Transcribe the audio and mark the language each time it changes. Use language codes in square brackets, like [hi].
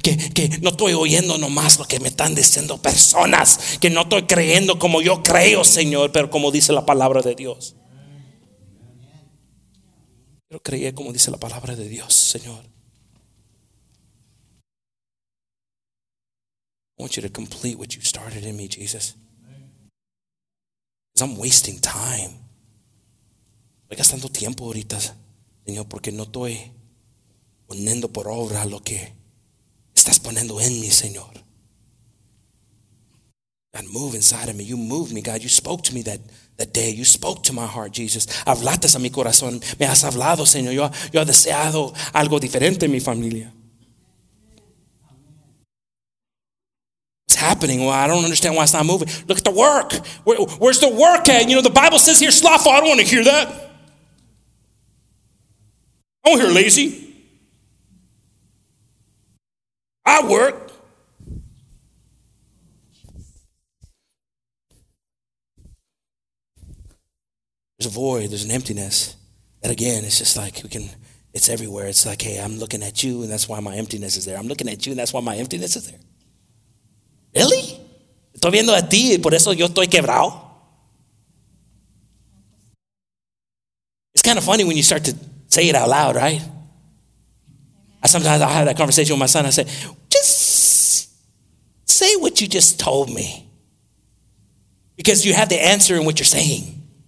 [es] Que no estoy oyendo nomás lo que me están diciendo personas. Que no estoy creyendo como yo creo, Señor, pero como dice la palabra de Dios. Pero creía como dice la palabra de Dios, Señor. [en] I want you to complete what you started in me, Jesus. I'm wasting time. [es] Estoy gastando tiempo ahorita, Señor, porque no estoy poniendo por obra lo que estás poniendo en mí, Señor. [en] God, move inside of me. You moved me, God. You spoke to me that day. You spoke to my heart, Jesus. [es] Hablaste a mi corazón. Me has hablado, Señor. Yo he deseado algo diferente en mi familia. [en] Happening. Well, I don't understand why it's not moving. Look at the work. Where's the work at? You know, the Bible says here, slothful. I don't want to hear that. I don't hear lazy. I work. There's a void. There's an emptiness. And again, it's just like it's everywhere. It's like, hey, I'm looking at you, and that's why my emptiness is there. I'm looking at you, and that's why my emptiness is there. Really? [es] Estoy viendo a ti y por eso yo estoy quebrado. [en] It's kind of funny when you start to say it out loud, right? I have that conversation with my son. I say, just say what you just told me. Because you have the answer in what you're saying.